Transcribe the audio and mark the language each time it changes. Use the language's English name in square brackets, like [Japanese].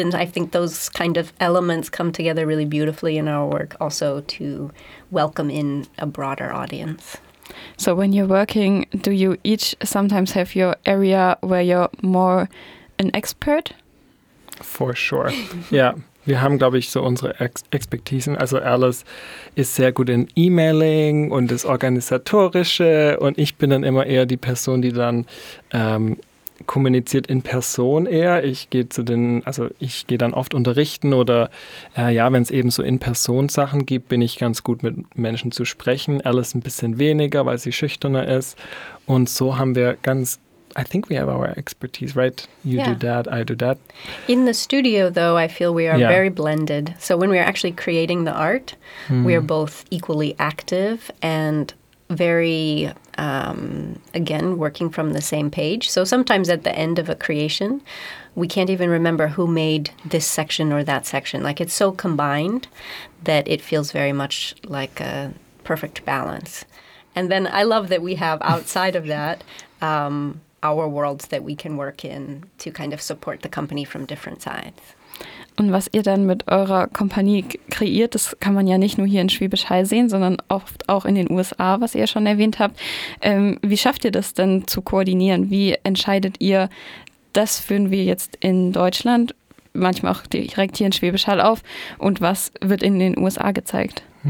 [English] And I think those kind of elements come together really beautifully in our work also to welcome in a broader audience. So when you're working, do you each sometimes have your area where you're more an expert? For sure. Yeah. [German] Wir haben, glaube ich, so unsere Expertisen. Also Alice ist sehr gut in E-Mailing und das Organisatorische und ich bin dann immer eher die Person, die dann kommuniziert in Person eher. Ich gehe dann oft unterrichten oder wenn es eben so in Person Sachen gibt, bin ich ganz gut mit Menschen zu sprechen. Alice ein bisschen weniger, weil sie schüchterner ist. Und so haben wir ganz, [English] I think we have our expertise, right? You do that, I do that. In the studio, though, I feel we are very blended. So when we are actually creating the art, we are both equally active and very, again, working from the same page. So sometimes at the end of a creation, we can't even remember who made this section or that section. Like, it's so combined that it feels very much like a perfect balance. And then I love that we have outside of that our worlds that we can work in to kind of support the company from different sides. [German] Und was ihr dann mit eurer Kompanie kreiert, das kann man ja nicht nur hier in Schwäbisch Hall sehen, sondern oft auch in den USA, was ihr schon erwähnt habt. Wie schafft ihr das denn zu koordinieren? Wie entscheidet ihr, das führen wir jetzt in Deutschland, manchmal auch direkt hier in Schwäbisch Hall auf, und was wird in den USA gezeigt?